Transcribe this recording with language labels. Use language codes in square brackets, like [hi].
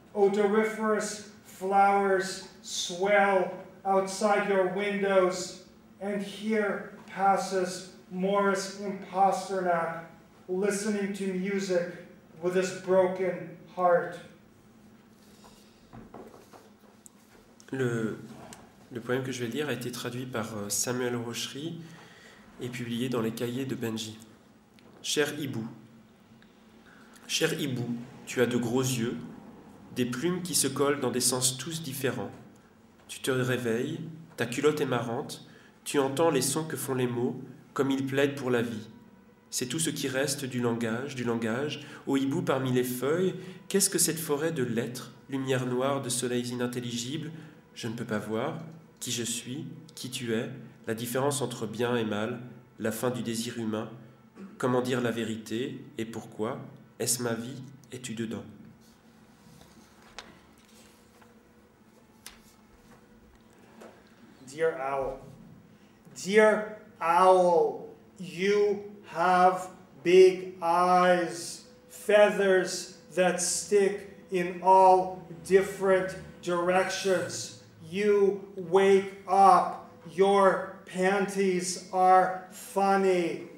[en] Odoriferous flowers swell outside your windows. And here passes Maurice Impersternac, listening to music with his broken heart. [fr] Le poème que je vais lire a été traduit par Samuel Rochery et publié dans les cahiers de Benji. Cher hibou, tu as de gros yeux, des plumes qui se collent dans des sens tous différents. Tu te réveilles, ta culotte est marrante, tu entends les sons que font les mots, comme ils plaident pour la vie. C'est tout ce qui reste du langage, au hibou parmi les feuilles, qu'est-ce que cette forêt de lettres, lumière noire de soleils inintelligibles? Je ne peux pas voir, qui je suis, qui tu es, la différence entre bien et mal, la fin du désir humain, comment dire la vérité et pourquoi, est-ce ma vie, es-tu dedans ? [en] Dear owl, dear owl, you have big eyes, feathers that stick in all different directions. You wake up, your panties are funny.